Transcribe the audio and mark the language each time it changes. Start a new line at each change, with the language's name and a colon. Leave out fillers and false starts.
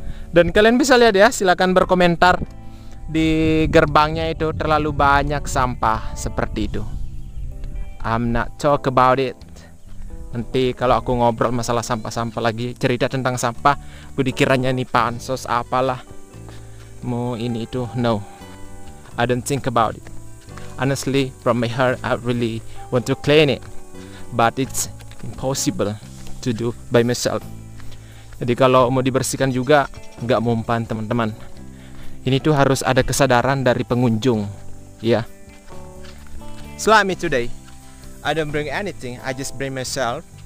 Indonesian: Dan kalian bisa lihat ya, silakan berkomentar di gerbangnya itu terlalu banyak sampah seperti itu.
English: I'm not talk about it.
Indonesian: Nanti kalau aku ngobrol masalah sampah-sampah lagi, cerita tentang sampah, gue dikiranya ini pansos apalah. Mau ini itu,
English: no. I don't think about it. Honestly, from my heart, I really want to clean it. But it's impossible to do by myself.
Indonesian: Jadi kalau mau dibersihkan juga, gak mumpan teman-teman. Ini tuh harus ada kesadaran dari pengunjung.
English: Ya. Slime me today. I don't bring anything, I just bring myself.